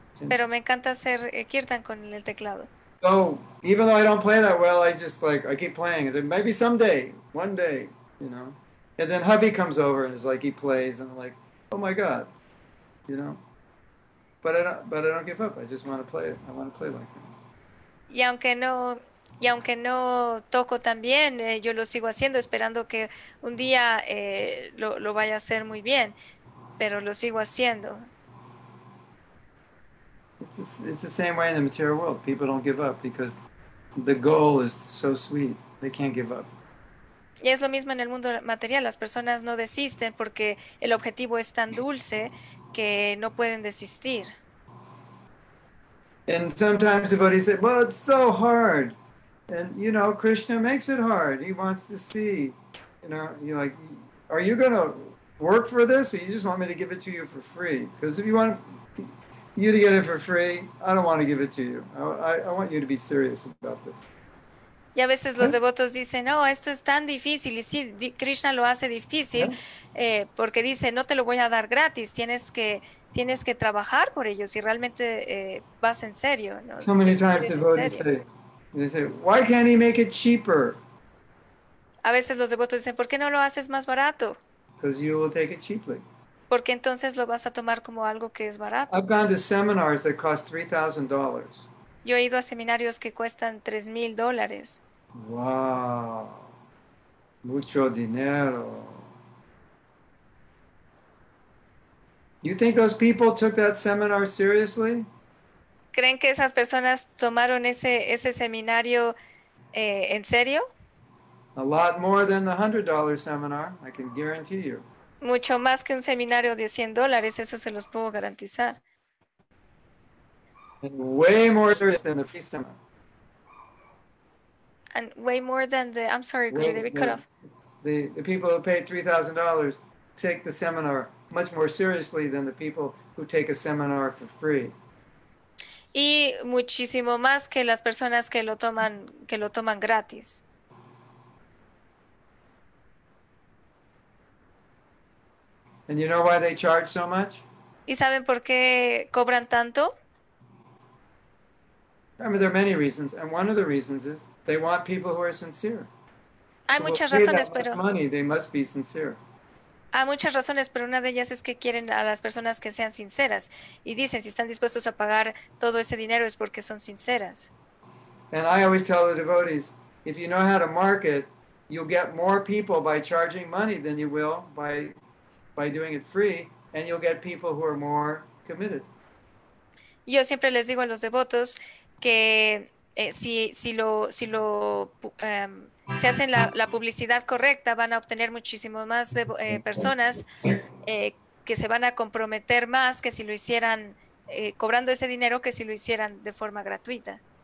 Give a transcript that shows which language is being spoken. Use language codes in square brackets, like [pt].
[es] Pero me encanta hacer kirtan con el teclado. [en] So even though I don't play that well, I keep playing. I said, maybe someday, one day, you know. And then hubby comes over and is like, he plays, and I'm like, oh my God, you know. But I don't give up. I just want to play it. I want to play like that. [es] Y aunque no toco tan bien, yo lo sigo haciendo, esperando que un día lo vaya a hacer muy bien, pero lo sigo haciendo. [en] It's the same way in the material world. People don't give up because the goal is so sweet. They can't give up. [es] Y es lo mismo en el mundo material. Las personas no desisten porque el objetivo es tan dulce que no pueden desistir. [en] And sometimes somebody says, well, it's so hard. And, you know, Krishna makes it hard. He wants to see, you know, you're like, are you going to work for this or you just want me to give it to you for free? Because if you want you to get it for free, I don't want to give it to you. I want you to be serious about this. [es] Y a veces los devotos dicen, no, esto es tan difícil. Y sí, Krishna lo hace difícil porque dice, no te lo voy a dar gratis. Tienes que trabajar por ello si realmente vas en serio. ¿No? [en] So many times devotees say, why can't he make it cheaper? [es] A veces los devotos dicen, ¿por qué no lo haces más barato? [en] Because you will take it cheaply. [es] Porque entonces lo vas a tomar como algo que es barato. [en] I've gone to seminars that cost $3,000. [es] Yo he ido a seminarios que cuestan $3,000. Wow. Mucho dinero. [en] You think those people took that seminar seriously? [es] ¿Creen que esas personas tomaron ese seminario en serio? [en] A lot more than the $100 seminar, I can guarantee you. [es] Mucho más que un seminario de $100, eso se los puedo garantizar. [en] Way more serious than the feast amount. And way more than the, I'm sorry, could it be cut off? The people who pay $3,000 take the seminar much more seriously than the people who take a seminar for free. [es] Y muchísimo más que las personas que lo toman gratis. [en] And you know why they charge so much? [es] ¿Y saben por qué cobran tanto? [en] I mean, there are many reasons, and one of the reasons is they want people who are sincere. [es] Hay muchas razones, pero [en] money, they must be sincere. [es] Hay muchas razones, pero una de ellas es que quieren a las personas que sean sinceras. Y dicen, si están dispuestos a pagar todo ese dinero es porque son sinceras. [en] And I always tell the devotees, if you know how to market, you'll get more people by charging money than you will by doing it free, and you'll get people who are more committed. [es] Yo siempre les digo a los devotos que si hacen la publicidad correcta, van a obtener muchísimo más de personas que se van a comprometer más que si lo hicieran cobrando ese dinero que si lo hicieran de forma gratuita.